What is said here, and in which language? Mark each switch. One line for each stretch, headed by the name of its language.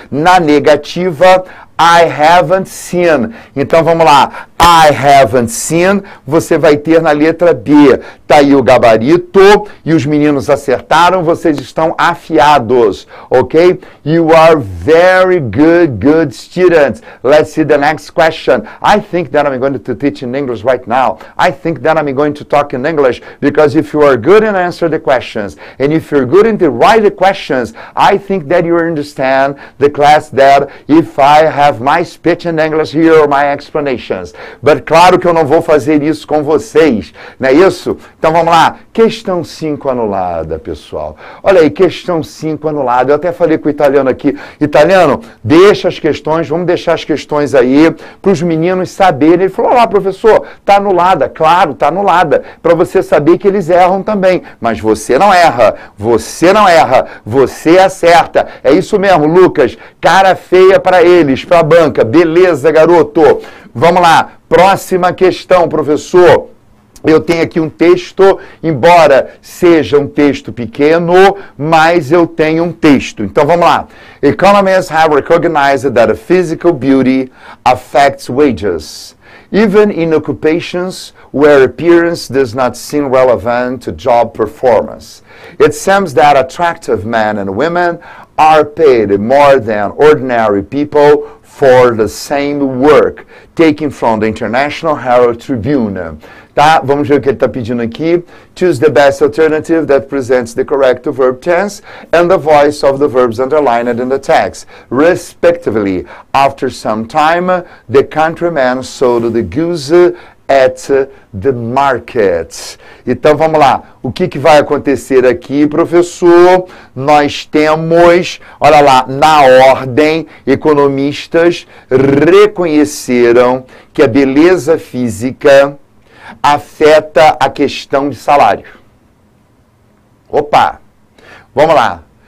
Portuguese: Na negativa,
English: I haven't seen.
Portuguese: Então, vamos lá.
English: I haven't seen,
Portuguese: você vai ter na letra B. Tá aí o gabarito e os meninos acertaram, vocês estão afiados, ok?
English: You are very good, good students. Let's see the next question. I think that I'm going to teach in English right now. I think that I'm going to talk in English because if you are good and answer the questions and if you're good and write the questions, I think that you understand the class that if I have my speech in English here or my explanations.
Portuguese: But claro que eu não vou fazer isso com vocês, não é isso? Então vamos lá, questão 5 anulada, pessoal. Olha aí, questão 5 anulada. Eu até falei com o italiano aqui. Italiano, deixa as questões, vamos deixar as questões aí para os meninos saberem. Ele falou, olha lá, professor, está anulada. Claro, está anulada, para você saber que eles erram também. Mas você não erra, você não erra, você acerta. É isso mesmo, Lucas, cara feia para eles, para a banca. Beleza, garoto. Vamos lá, próxima questão, professor. Eu tenho aqui um texto, embora seja um texto pequeno, mas eu tenho um texto. Então vamos lá.
English: Economists have recognized that a physical beauty affects wages, even in occupations where appearance does not seem relevant to job performance. It seems that attractive men and women are paid more than ordinary people for the same work, taken from the International Herald Tribune.
Portuguese: Tá? Vamos ver o que ele está pedindo aqui.
English: Choose the best alternative that presents the correct verb tense and the voice of the verbs underlined in the text, respectively. After some time, the countryman sold the goose at the market.
Portuguese: Então, vamos lá. O que, que vai acontecer aqui, professor? Nós temos, olha lá, na ordem, economistas reconheceram que a beleza física afeta a questão de salário. Opa! Vamos lá.